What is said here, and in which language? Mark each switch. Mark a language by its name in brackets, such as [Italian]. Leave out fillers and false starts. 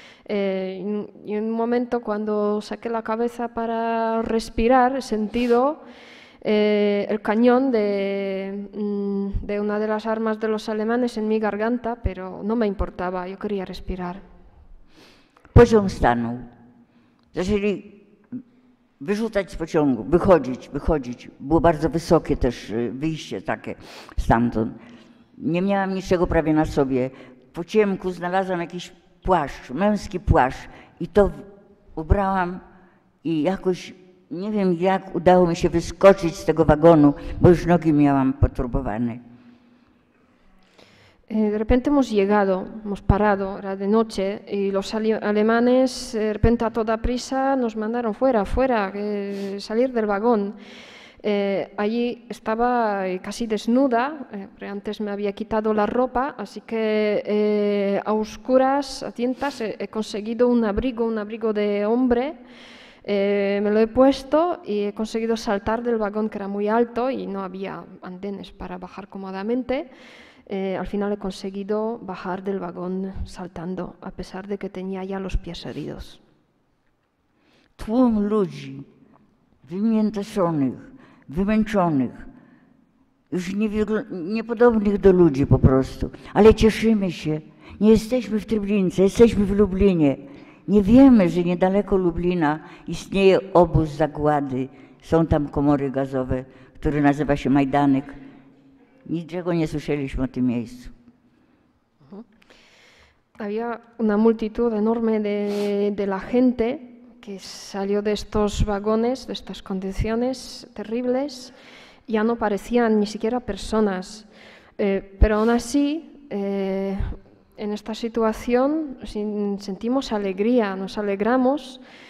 [Spanish] Y en un momento, cuando saqué la cabeza para respirar, he sentido el cañón de una de las armas de los alemanes en mi garganta, pero no me importaba, yo quería respirar. [Polish] Poziom stanął. Zaczęli wyrzucać z pociągu, wychodzić. Było bardzo wysokie też wyjście takie stamtąd. Nie miałam niczego prawie na sobie. Po ciemku znalazłam jakiś płaszcz, męski płaszcz. I to ubrałam i jakoś, nie wiem jak, udało mi się wyskoczyć z tego wagonu, bo już nogi miałam poturbowane. [Spanish] De repente hemos llegado, hemos parado, era de noche, y los alemanes, de repente a toda prisa, nos mandaron fuera, salir del vagón. Allí estaba casi desnuda, porque antes me había quitado la ropa, así que a oscuras, a tientas, he conseguido un abrigo de hombre. Me lo he puesto y he conseguido saltar del vagón, que era muy alto y no había andenes para bajar cómodamente. Al final he conseguido bajar del vagón saltando, a pesar de que tenía ya los pies heridos. [Polish] Tłum ludzi wymięczonych, wymęczonych, już niepodobnych do ludzi po prostu, ale cieszymy się. Nie jesteśmy w Treblince, jesteśmy w Lublinie. Nie wiemy, że niedaleko Lublina istnieje obóz zagłady. Są tam komory gazowe, który nazywa się Majdanek. Niczego nie słyszeliśmy o tym miejscu. [Spanish] Había una multitud enorme de la gente que salió de estos vagones, de estas condiciones terribles. Ya no parecían ni siquiera personas. Pero aún así, en esta situación, sentimos alegría, nos alegramos.